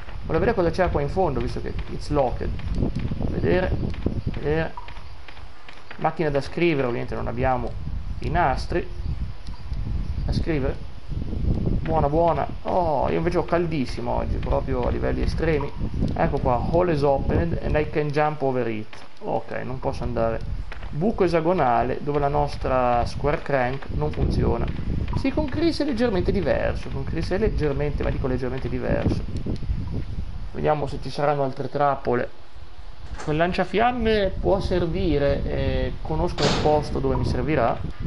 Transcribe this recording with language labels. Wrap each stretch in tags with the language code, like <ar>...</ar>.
<it>Voglio vedere cosa c'è qua in fondo, visto che</it> <en>it's locked.</en> <it>Vedere, vedere. Macchina da scrivere, ovviamente non abbiamo i nastri da scrivere. Buona, buona. Oh, io invece ho caldissimo oggi, proprio a livelli estremi. Ecco qua,</it> <en>hole is opened and I can jump over it.</en> <it>Ok, non posso andare. Buco esagonale dove la nostra square crank non funziona. Sì, con Chris è leggermente diverso. Con Chris è leggermente, ma dico leggermente diverso. Vediamo se ci saranno altre trappole. Quel lanciafiamme può servire, conosco il posto dove mi servirà.</it>